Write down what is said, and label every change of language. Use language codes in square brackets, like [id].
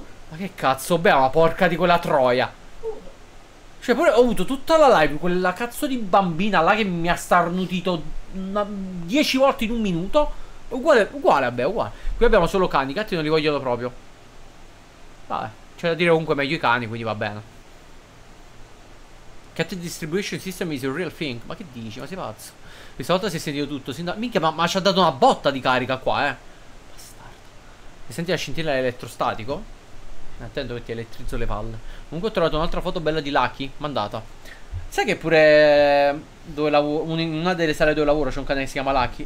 [it] Ma che cazzo, beh, ma porca di quella troia. Cioè, pure ho avuto tutta la live quella cazzo di bambina là che mi ha starnutito 10 volte in un minuto. Uguale. Qui abbiamo solo cani, i gatti non li vogliono proprio. Vabbè, c'è da dire comunque meglio i cani, quindi va bene. [en] Cat distribution system is a real thing. [it] Ma che dici, ma sei pazzo? Questa volta si è sentito tutto, minchia, ma ci ha dato una botta di carica qua, Bastardo. E senti la scintilla elettrostatico? Attento che ti elettrizzo le palle. Comunque ho trovato un'altra foto bella di Lucky, mandata. Sai che pure dove lavoro, in una delle sale dove lavoro c'è un cane che si chiama Lucky.